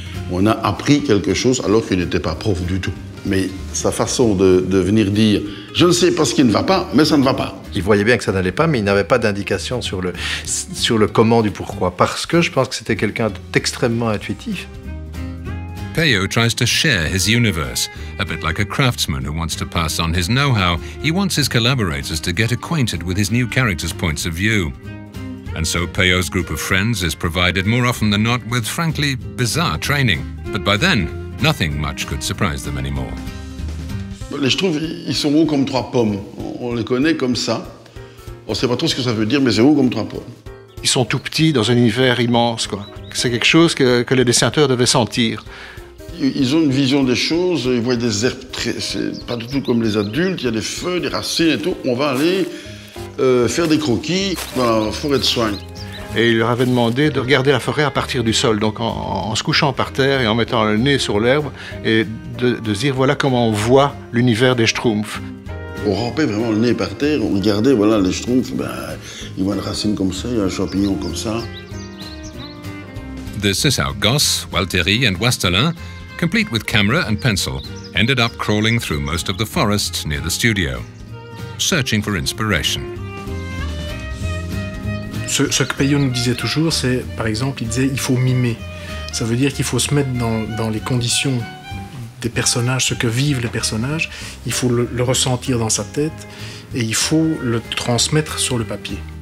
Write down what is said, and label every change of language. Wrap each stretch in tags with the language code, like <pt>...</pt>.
<fr>On a appris quelque chose alors qu'il n'était pas prof du tout. Mais sa façon de venir dire « je ne sais pas ce qui ne va pas, mais ça ne va pas ». Il voyait bien que ça n'allait pas, mais il n'avait pas d'indication sur le comment du pourquoi. Parce que je pense que c'était quelqu'un d'extrêmement intuitif.</fr> <en>Peillot tries to share his universe. A bit like a craftsman who wants to pass on his know-how, he wants his collaborators to get acquainted with his new character's points of view. And so Peillot's group of friends is provided more often than not with frankly bizarre training. But by then, nothing much could surprise them anymore.</en> <fr>Les Schtroumpfs, ils sont hauts comme trois pommes. On les connaît comme ça. On ne sait pas trop ce que ça veut dire, mais c'est haut comme trois pommes. Ils sont tout petits dans un univers immense, quoi. C'est quelque chose que les dessinateurs devaient sentir. Ils ont une vision des choses, ils voient des herbes très... C'est pas du tout comme les adultes, il y a des feuilles, des racines et tout. On va aller... faire des croquis dans la forêt de soins. et il leur avait demandé de regarder la forêt à partir du sol, donc en se couchant par terre et en mettant le nez sur l'herbe, et de dire voilà comment on voit l'univers des Schtroumpfs. On rampait vraiment le nez par terre, on regardait, voilà, les Schtroumpfs, ben, ils voient une racine comme ça, il y a un champignon comme ça.</fr> <en>This is how Goss, Walteri and Westerlin, complete with camera and pencil, ended up crawling through most of the forest near the studio, searching for inspiration.</en> <fr>Ce que Peyo nous disait toujours, c'est, par exemple, il disait, il faut mimer. Ça veut dire qu'il faut se mettre dans les conditions des personnages, ce que vivent les personnages, il faut le ressentir dans sa tête, et il faut le transmettre sur le papier.</fr>